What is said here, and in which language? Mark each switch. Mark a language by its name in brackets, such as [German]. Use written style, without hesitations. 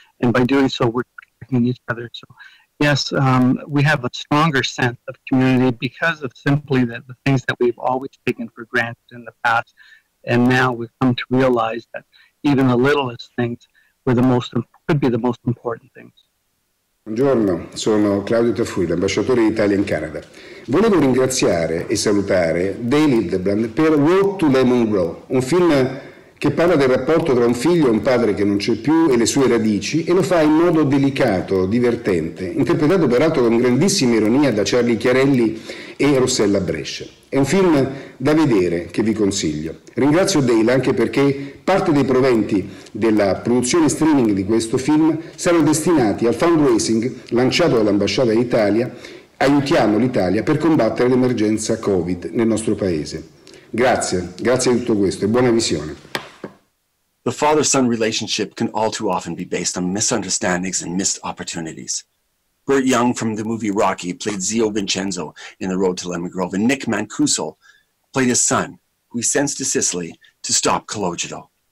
[English] And by doing so, we're protecting each other. So, yes, we have a stronger sense of community because of simply the things that we've always taken for granted in the past. And now we've come to realize that even the littlest things could be the most important things. [Italian] Buongiorno, sono Claudio Tafuri, ambasciatore d'Italia in Canada. Volevo ringraziare e salutare Dale Hildebrand per Road to Lemon Grove, un film che parla del rapporto tra un figlio e un padre che non c'è più e le sue radici, e lo fa in modo delicato, divertente, interpretato peraltro con grandissima ironia da Charlie Chiarelli e Rossella Brescia. È un film da vedere che vi consiglio. Ringrazio Dale anche perché parte dei proventi della produzione streaming di questo film saranno destinati al fundraising lanciato dall'Ambasciata d'Italia Aiutiamo l'Italia per combattere l'emergenza Covid nel nostro paese. Grazie, grazie di tutto questo e buona visione. [English] The father-son relationship can all too often be based on misunderstandings and missed opportunities. Burt Young from the movie Rocky played Zio Vincenzo in The Road to Lemon Grove, and Nick Mancuso played his son, who he sends to Sicily to stop Calogero.